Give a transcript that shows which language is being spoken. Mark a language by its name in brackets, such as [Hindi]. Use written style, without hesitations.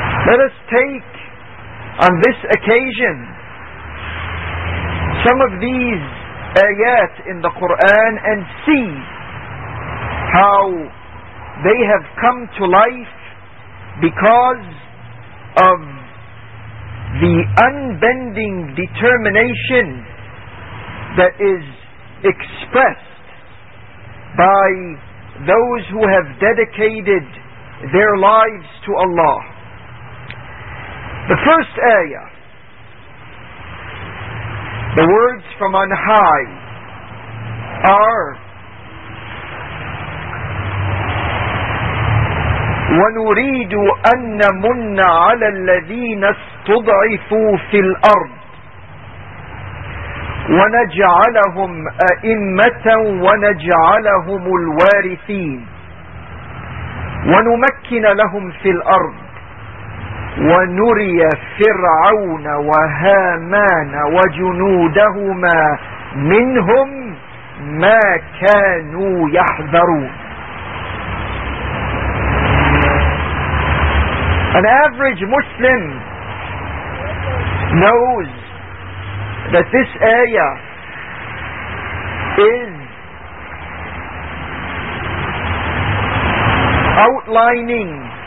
[English] Let us take on this occasion some of these ayat in the Quran and see how they have come to life because of the unbending determination that is expressed by those who have dedicated their lives to Allah. The first ayah, the words from on high, are [Arabic] وَنُرِيدُ أَن نَمُنَّ عَلَى الَّذِينَ اسْتُضْعِفُوا فِي الْأَرْضِ وَنَجْعَلَهُمْ أَئِمَّةً وَنَجْعَلَهُمُ الْوَارِثِينَ وَنُمَكِّنَ لَهُمْ فِي الْأَرْضِ وَنُرِيَ فِرْعَوْنَ وَهَامَانَ وَجُنُودَهُمَا مِنْهُمْ مَا كَانُوا يَحْذَرُونَ. [English] An average Muslim knows that this ayah is outlining